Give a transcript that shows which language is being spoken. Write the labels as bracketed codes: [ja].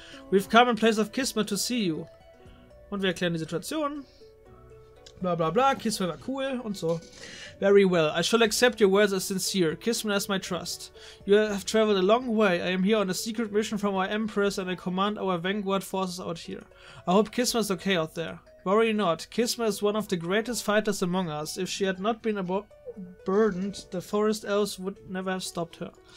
[en] We've come in place of Kismel to see you. [de] Und wir erklären die Situation. Bla bla bla, Kismel war cool und so. [en] Very well, I shall accept your words as sincere. Kismel as my trust. You have traveled a long way. I am here on a secret mission from our Empress and I command our vanguard forces out here. I hope Kismel is okay out there. Worry not, Kismel is one of the greatest fighters among us. If she had not been burdened, the forest elves would never have stopped her.